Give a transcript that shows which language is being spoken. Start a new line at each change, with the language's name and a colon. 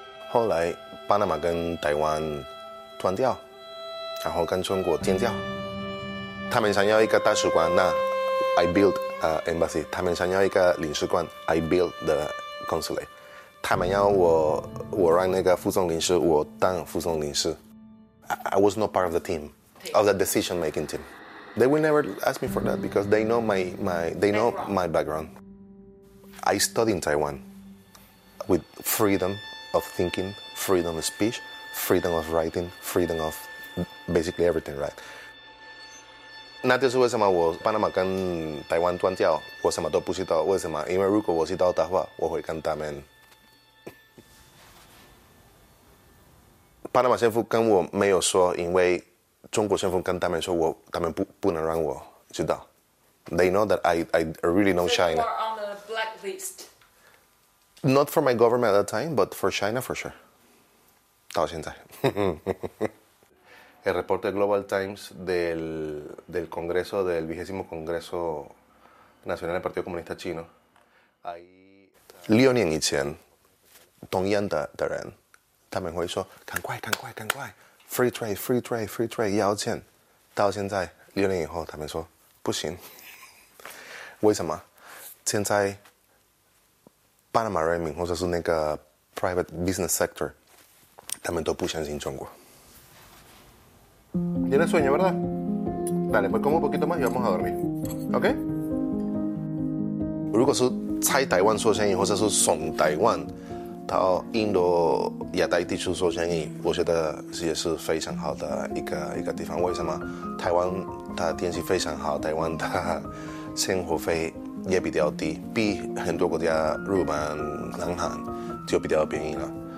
Chinese: 后来巴拿马跟台湾断掉，然后跟中国建交。他们想要一个大使馆，那
English: I build an embassy。
Chinese: 他们想要一个领事馆，
English: I build the consulate。
Chinese: 他们要我让那个副总领事，我当副总领事。
English: I was not part of the team, of the decision-making team. They will never ask me for that because they know my background. I studied in Taiwan with freedom of thinking, freedom of speech, freedom of writing, freedom of basically everything, right?
Chinese: 那就是为什么我巴拿马跟台湾断交，我什么都不知道。为什么？因为如果我知道的话，我会跟他们。巴拿马政府跟我没有说，因为中国政府跟他们说我，他们不能让我知道。
English: They know that I really know China. So you are on a blacklist. Not for my government at that time, but for China for sure.
Chinese: 到现在。
Spanish: El reporte Global Times del Congreso, del 20º Congreso Nacional del Partido Comunista Chino.
Chinese: 6年以前，同样的人。他们会说赶快赶快赶快
English: free trade free trade free trade
Chinese: 要钱，到现在六年以后他们说不行。为什么？现在巴拿马人民或者是那个
English: private business sector
Chinese: 他们都不相信中国。
Spanish: Tienes sueño, ¿verdad? Dale, pues como un poquito más y vamos a dormir, ¿ok?
Chinese: 如果是在台湾做生意或者是从台湾到印度亚太地区做生意，我觉得也是非常好的一个地方。为什么？台湾的天气非常好，台湾的生活费也比较低，比很多国家日本、南韩就比较便宜了。